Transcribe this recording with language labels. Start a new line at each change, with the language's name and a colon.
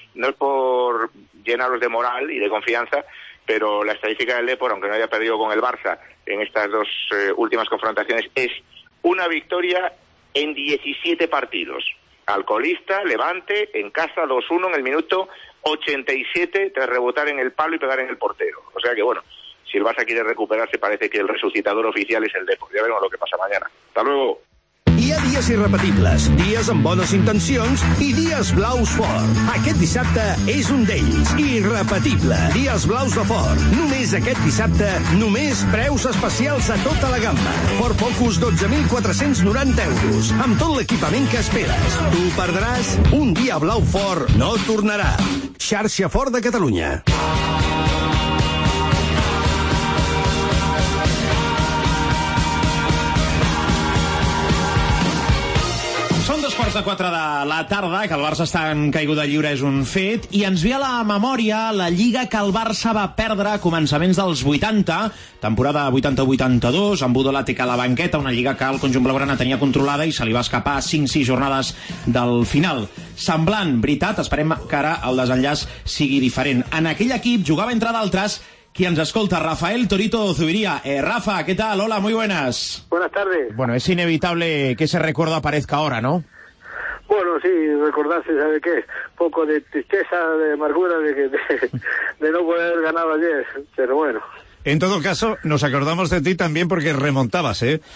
Spanish: No es por llenarlos de moral y de confianza, pero la estadística del Depor, aunque no haya perdido con el Barça en estas dos últimas confrontaciones, es una victoria en 17 partidos. Alcolista, Levante, en casa 2-1 en el minuto 87 tras rebotar en el palo y pegar en el portero. O sea que bueno, si el Barça quiere recuperarse, parece que el resucitador oficial es el Depor. Ya veremos lo que pasa mañana. ¡Hasta luego!
Catalan: Hi ha dies irrepetibles, dies amb bones intencions i dies blaus fort. Aquest dissabte és un d'ells. Irrepetible, dies blaus de fort. Només aquest dissabte, només preus especials a tota la gamma. Ford Focus 12.490 euros, amb tot l'equipament que esperes. Tu perdràs, un dia blau fort no tornarà. Xarxa Ford de Catalunya. Quarts de 4 de la tarda, que el Barça està en caiguda lliure és un fet, i ens ve a la memòria la lliga que el Barça va perdre a començaments dels 80, temporada 80-82, amb Udolàtic a la banqueta, una lliga que el conjunt blaugrana tenia controlada i se li va escapar 5-6 jornades del final. Semblant, veritat, esperem que ara el desenllaç sigui diferent. En aquell equip jugava, entre d'altres, qui ens escolta, Rafael Torito Zubiria. Rafa, què tal? Hola, muy buenas.
Spanish: Buenas tardes. Bueno, es inevitable que ese recuerdo aparezca ahora, ¿no? Bueno, sí, recordarse, ¿sabe qué? Poco de tristeza, de amargura de no poder ganar ayer, pero bueno. En todo caso, nos acordamos de ti también porque remontabas, ¿eh?